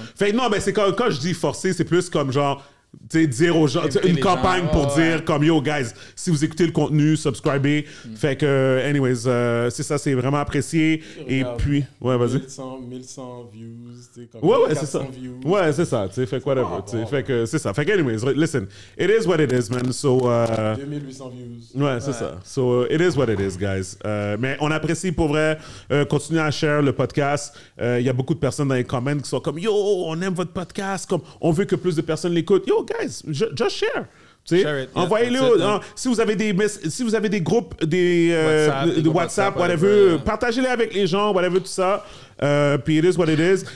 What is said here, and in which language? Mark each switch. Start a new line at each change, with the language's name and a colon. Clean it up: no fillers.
French: Fait que non, mais c'est quand je dis forcer, c'est plus comme genre. Tu sais, dire aux gens, une campagne gens. Pour oh, dire ouais. comme yo, guys, si vous écoutez le contenu, subscribez. Mm. Fait que, anyways, c'est ça, c'est vraiment apprécié. Et regarde, puis, ouais, vas-y. 1100 views, tu sais, comme ouais, 400 ouais, views. Ouais, c'est ça, tu sais, fait quoi d'abord, tu sais. Fait que, c'est ça.
English: Fait que, anyways, listen, it is what it is, man. So, 2800 views. Ouais, c'est ça. So, it is what it is, guys.
French: Mais on apprécie pour vrai, continuer à share le podcast. Il y a beaucoup de personnes dans les comments qui sont comme yo, on aime votre podcast, comme on veut que plus de personnes l'écoutent. Yo, guys, just share. Tu sais, envoyez-le. Si vous avez des groupes, des WhatsApp, whatever, partagez-les avec les gens, whatever, tout ça. Puis it is what it is.